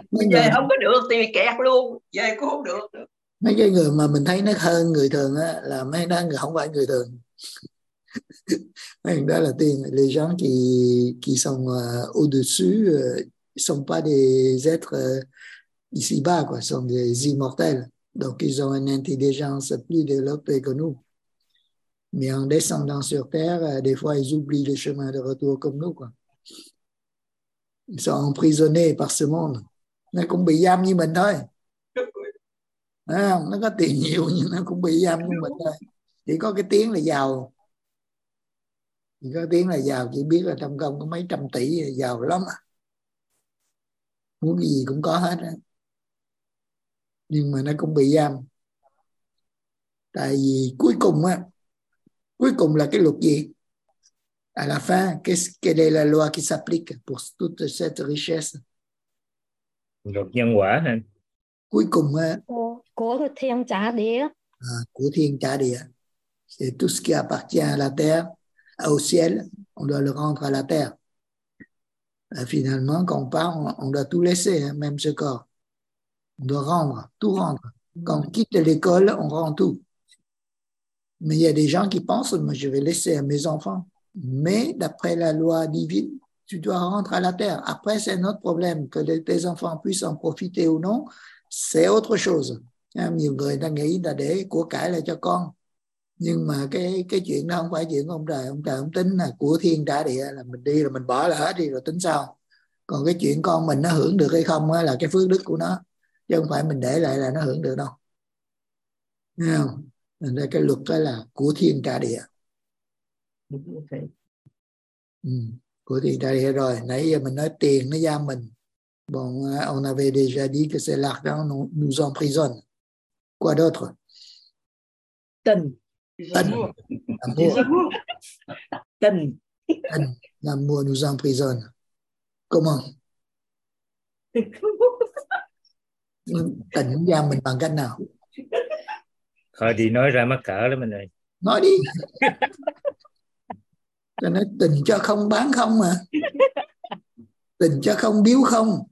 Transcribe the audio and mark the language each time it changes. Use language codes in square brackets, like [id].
[vi] Về không có được thì kẹt luôn, về cũng không được. Mấy cái người mà mình thấy nó hơn người thường á là mấy đó người không phải người thường. Mấy đó là tiên, [fr] les gens qui sont au-dessus sont pas des êtres ici-bas quoi, sont des immortels. Donc ils ont une intelligence plus développée que nous. Mais en descendant sur terre, des fois ils oublient le chemin de retour comme nous quoi. Ils sont emprisonnés par ce monde. [vi] Nó cũng bị giam như mình thôi. À, nó có tiền nhiều nhưng nó cũng bị giam như mình thôi. Chỉ có cái tiếng là giàu. Chỉ có tiếng là giàu, chỉ biết là trong công có mấy trăm tỷ, giàu lắm. Muốn cái gì cũng có hết á. Nhưng mà nó cũng bị giam. Tại vì cuối cùng á, cuối cùng là cái luật gì? [fr] À la fin, quelle est la loi qui s'applique pour toute cette richesse? [vi] Luật nhân quả hả? Cuối cùng á. Của thiên trả địa. À, của thiên trả địa. [fr] C'est tout ce qui appartient à la terre, au ciel, on doit le rendre à la terre. Finalement, quand on part, on doit tout laisser, hein, même ce corps. On doit rendre, tout rendre. Quand on quitte l'école, on rend tout. Mais il y a des gens qui pensent, moi je vais laisser à mes enfants. Mais d'après la loi divine, tu dois rendre à la terre. Après, c'est un autre problème. Que tes enfants puissent en profiter ou non, c'est autre chose. [vi] Nhiều người ta nghĩ là để của cải lại cho con. Nhưng mà cái chuyện đó không phải chuyện của ông trời. Ông trời ông tính là của thiên trả địa, là mình đi rồi mình bỏ lỡ đi rồi tính sau. Còn cái chuyện con mình nó hưởng được hay không là cái phước đức của nó, chứ không phải mình để lại là nó hưởng được đâu. Nghe không? Nên cái luật đó là của thiên trả địa. [en] Okay. [vi] Ừ, của thiên trả địa rồi. Nãy giờ mình nói tiền nó giam mình. [fr] Bon, on avait déjà dit que c'est l'argent nous emprisonne. Quoi d'autre? [vi] Tình. Tình. [fr] L'amour. [vi] Tình. Tình. [fr] L'amour nous emprisonne. Comment? [vi] Tình giam mình bằng cách nào? Khỏi đi nói ra mắc cỡ lắm mình ơi. Nói đi. Cho nó tình cho không bán không mà. Tình cho không biếu không.